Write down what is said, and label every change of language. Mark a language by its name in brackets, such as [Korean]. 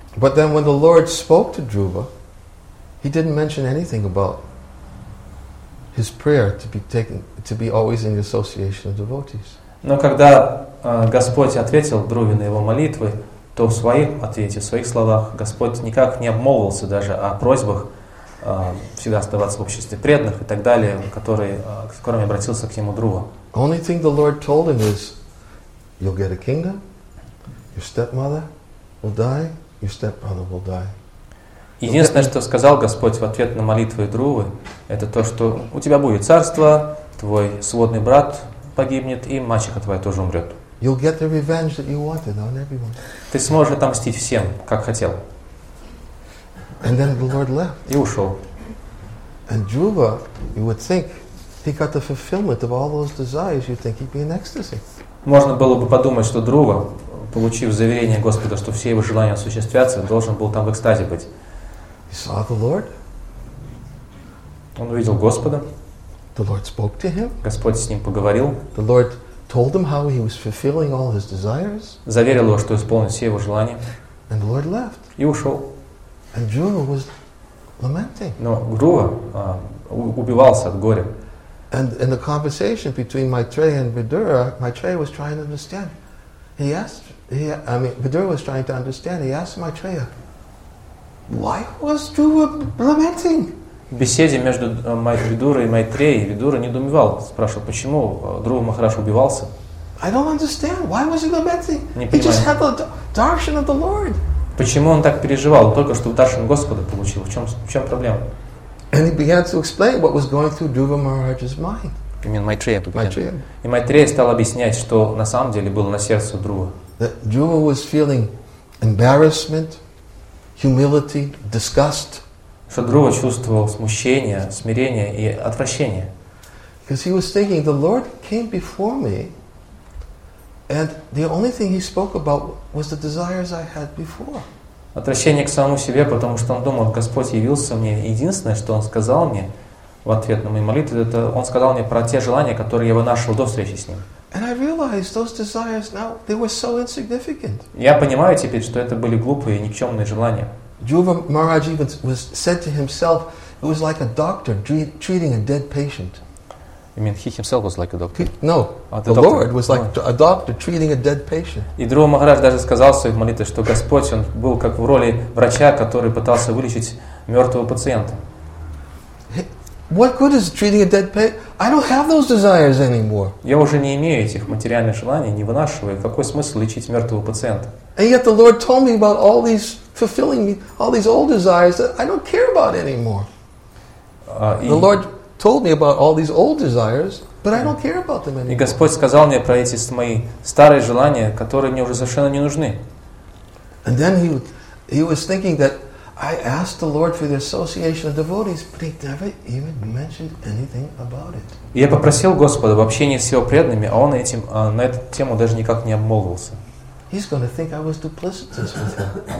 [English] But then when the Lord spoke to Druva, he didn't mention anything about his prayer to be taken, to be always in the association of devotees. [Russian] Но когда Господь ответил Друве на его молитвы, то в своих ответе, в своих словах, Господь никак не обмолвился даже о просьбах всегда оставаться в обществе преданных и так далее, которыми обратился к нему Друва. [English] Only thing the Lord told him is, you'll get a kingdom, your stepmother will die, your stepbrother will die. [Russian] Единственное, что сказал Господь в ответ на молитвы Друвы, это то, что у тебя будет царство, твой сводный брат погибнет, и мачеха твоя тоже умрет. [English] You'll get the revenge that you wanted on everyone. [Russian] Ты сможешь отомстить всем, как хотел. [English] And then the Lord left. [Russian] И ушел. [English] And Druva, you would think, he got the fulfillment of all those desires, you'd think he'd be in ecstasy. [Russian] Можно было бы подумать, что Друва, получив заверение Господа, что все его желания осуществятся, должен был там в экстазе быть. [English] He saw the Lord. [Russian] Он увидел Господа. [English] The Lord spoke to him. [Russian] Господь с ним поговорил. [English] The Lord told him how he was fulfilling all his desires. [Russian] Заверил его, что исполнит все его желания. [English] And the Lord left. [Russian] И ушел. [English] And Druva was lamenting. [Russian] Но Друва убивался от горя. [English] And in the conversation between Maitreya and Vidura, Maitreya was trying to understand. Vidura was trying to understand. He asked Maitreya, why was Druva lamenting? [Russian] В беседе между Видурой и Майтреей Видура недоумевал, спрашивал, почему Друва Махарадж убивался. [English] I don't understand. Why was he lamenting? [Russian] Не понимаю. [English] He just had the darshan of the Lord. [Russian] Почему он так переживал? Только что в даршан Господа получил. В чем проблема? [English] And he began to explain what was going through Dhruva Maharaj's mind. I mean, Maitreya. [Russian] И Майтрея стал объяснять, что на самом деле было на сердце Друва. [English] That Dhruva was feeling embarrassment, humility, disgust. [Russian] Что Друва чувствовал смущение, смирение и отвращение. [English] Because he was thinking, the Lord came before me, and the only thing he spoke about was the desires I had before. [Russian] Отвращение к самому себе, потому что он думал, Господь явился мне, единственное, что Он сказал мне в ответ на мои молитвы, это Он сказал мне про те желания, которые я вынашивал до встречи с Ним. [English] And I realized those desires now, they were so insignificant. [Russian] Я понимаю теперь, что это были глупые, никчемные желания. [English] Dhruva Maharaj even was said to himself, it was like a doctor treating a dead patient. I mean, he himself was like a doctor. Lord was like a doctor treating a dead patient. [Russian] И Друва Махарадж даже сказал в своих молитвах, что Господь, Он был как в роли врача, который пытался вылечить мертвого пациента. [English] What good is treating a dead patient? I don't have those desires anymore. [Russian] Я уже не имею этих материальных желаний, не вынашиваю. Какой смысл лечить мертвого пациента? [English] And yet the Lord told me about all these fulfilling me, all these old desires that I don't care about anymore. The Lord told me about all these old desires, but I don't care about them anymore. [Russian] И Господь сказал мне про эти мои старые желания, которые мне уже совершенно не нужны. [English] And then he was thinking that I asked the Lord for the association of devotees, but he never even mentioned anything about it. [Russian] Я попросил Господа об общении с его преданными, а он этим на эту тему даже никак не обмолвился. [English] He's going to think I was duplicitous with him.